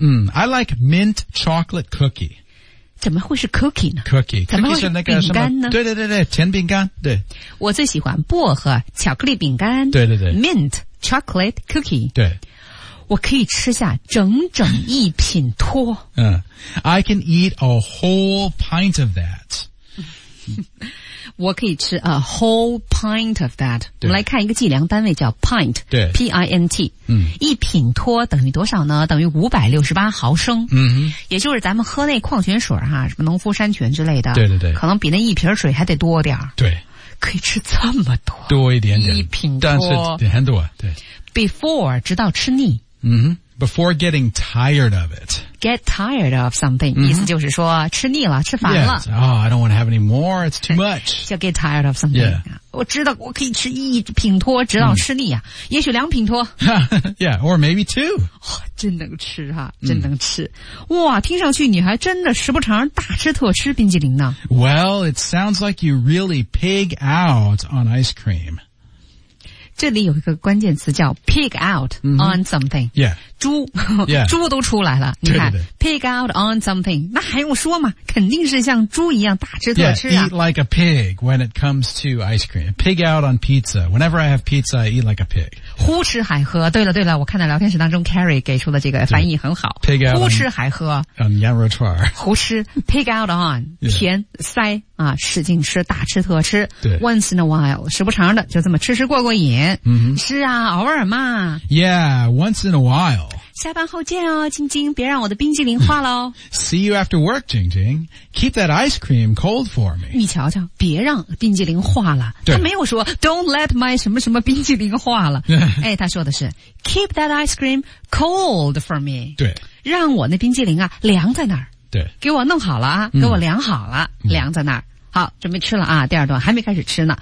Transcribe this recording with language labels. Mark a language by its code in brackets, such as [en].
[en] 嗯 I like mint chocolate cookie. [zh] 怎么会是 cookie 呢 [en] ?cookie. [zh] 怎么会是饼干呢饼干对对对对甜饼干。对。我最喜欢薄荷巧克力饼干。对对对。 [en] mint chocolate cookie. [zh] 对。我可以吃下整整一品托。 [en] 嗯、I can eat a whole pint of that. [zh] 我可以吃 [en] a whole pint of that. [zh] 我们来看一个计量单位叫 pint, 对 [en] P-I-N-T.、嗯、 [zh] 一品托等于多少呢等于568毫升。嗯、也就是咱们喝那矿泉水哈什么农夫山泉之类的对对对可能比那一瓶水还得多点。对。可以吃这么多。多一点点。一品托。但是很多对。 Before, 直到吃腻。 [en] Mm-hmm. Before getting tired of it. Get tired of something,、 mm-hmm. [zh] 意思就是说吃腻了吃烦了。 [en] Yes. Oh, I don't want to have any more, it's too much. [zh] 就 get tired of something.、 [en] Yeah. [zh] 我知道我可以吃一品托直到吃腻啊、mm. 也许两品托。 [en] yeah, or maybe two.、 [zh] 哦、真能吃啊真能吃。Mm. 哇听上去你还真的时不常大吃特吃冰淇淋呢。 [en] Well, it sounds like you really pig out on ice cream. [zh] 这里有一个关键词叫 [en] pig out on something、 mm-hmm. yeah. [zh] 猪、 [en] yeah. [zh] 猪都出来了你看 [en] pig out on something [zh] 那还用说吗肯定是像猪一样大吃特吃、啊 [en] yeah. eat like a pig when it comes to ice cream pig out on pizza whenever I have pizza I eat like a pig [zh] 呼吃海喝对了对了我看到聊天室当中 Carrie 给出的这个翻译很好 [en] pig out [zh] 呼吃海喝 on 羊肉串呼吃 pig out on 甜、 [en] yeah. [zh] 塞啊，使劲吃大吃特吃对 [en] once in a while [zh] 时不常的就这么吃吃过过瘾 Mm-hmm. 是啊偶尔嘛 [en] Yeah, once in a while [zh] 下班后见哦晶晶别让我的冰激凌化咯 [en] See you after work, 晶晶 Keep that ice cream cold for me [zh] 你瞧瞧别让冰激凌化了对他没有说 [en] Don't let my [zh] 什么什么冰激凌化了哎，他说的是 [en] Keep that ice cream cold for me [zh] 对让我那冰激凌啊凉在那儿对给我弄好了啊、嗯、给我凉好了、嗯、凉在那儿好准备吃了啊第二段还没开始吃呢、